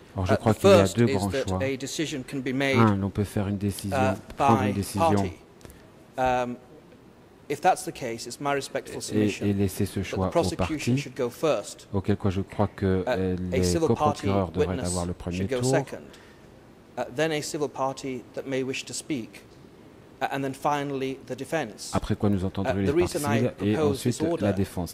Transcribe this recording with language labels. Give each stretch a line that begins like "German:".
French: Or, je crois qu'il y a deux grands choix. Un, on peut faire une décision, prendre une décision.
English: If that's the case, it's my respectful submission.
French: Et laisser ce choix aux parties, auquel quoi je crois que les coprocureurs devraient avoir le premier tour.
English: Then a civil party that may wish to speak. And then finally, the defense.
French: Après quoi nous entendrons les parties civiles et ensuite la défense.